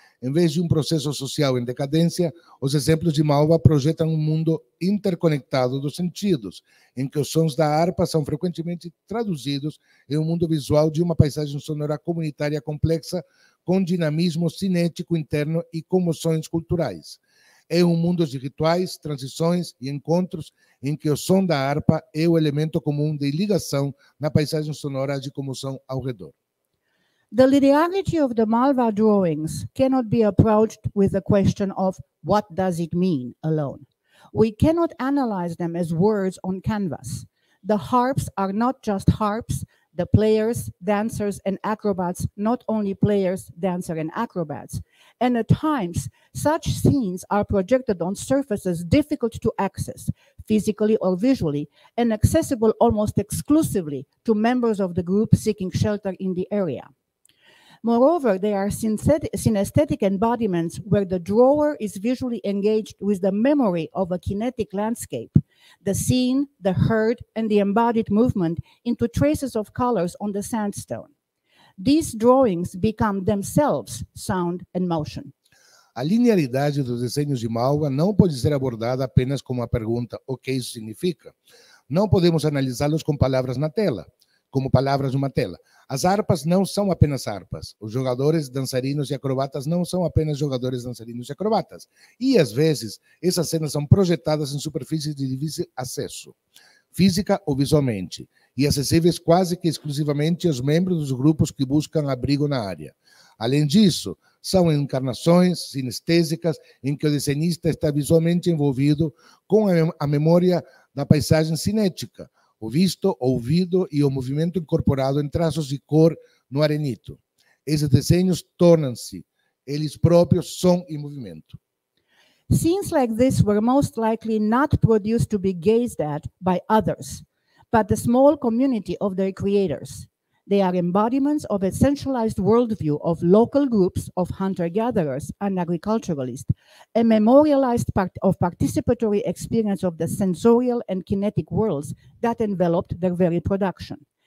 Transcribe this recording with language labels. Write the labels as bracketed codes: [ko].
[pt] Em vez de um processo social em decadência, os exemplos de Malva projetam um mundo interconectado dos sentidos, em que os sons da harpa são frequentemente traduzidos em um mundo visual de uma paisagem sonora comunitária complexa, com dinamismo cinético interno e comoções culturais. É um mundo de rituais, transições e encontros em que o som da harpa é o elemento comum de ligação na paisagem sonora de comoção ao redor. [en] The linearity of the Malva drawings cannot be approached with the question of what does it mean alone. We cannot analyze them as words on canvas. The harps are not just harps, the players, dancers, and acrobats, not only players, dancers, and acrobats. And at times, such scenes are projected on surfaces difficult to access, physically or visually, and accessible almost exclusively to members of the group seeking shelter in the area. Moreover, they are synesthetic embodiments where the drawer is visually engaged with the memory of a kinetic landscape, the seen, the heard, and the embodied movement into traces of colors on the sandstone. These drawings become themselves sound and motion. [pt] A linearidade dos desenhos de Malva não pode ser abordada apenas como a pergunta o que isso significa. Não podemos analisá-los com palavras na tela, como palavras numa tela. As harpas não são apenas harpas. Os jogadores, dançarinos e acrobatas não são apenas jogadores, dançarinos e acrobatas. E, às vezes, essas cenas são projetadas em superfícies de difícil acesso, física ou visualmente, e acessíveis quase que exclusivamente aos membros dos grupos que buscam abrigo na área. Além disso, são encarnações sinestésicas em que o desenhista está visualmente envolvido com a memória da paisagem cinética, o visto, o ouvido e o movimento incorporado em traços de cor no arenito. Esses desenhos tornam-se eles próprios som e movimento. [en] Scenes like this were most likely not produced to be gazed at by others, but the small community of their creators. They are embodiments of a centralized worldview of local groups of hunter-gatherers and agriculturalists, a memorialized part of participatory experience of the sensorial and kinetic worlds that enveloped their very production.